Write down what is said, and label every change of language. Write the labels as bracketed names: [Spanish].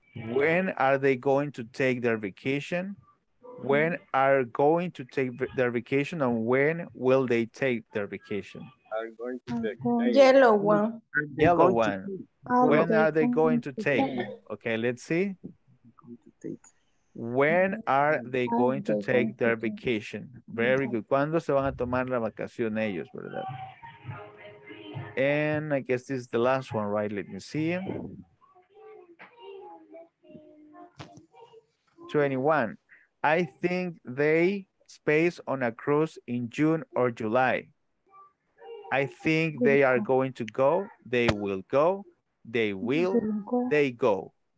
[English] When are they going to take their vacation? When are going to take their vacation, and when will they take their vacation? Yellow one. When are they going to take? Okay, let's see. When are they going to take their vacation? Very good. [Spanish] ¿Cuándo se van a tomar la vacación ellos, verdad? [English] And I guess this is the last one, right? Let me see. 21. I think they space on a cruise in June or July. I think they are going to go. They will go. They will. They go.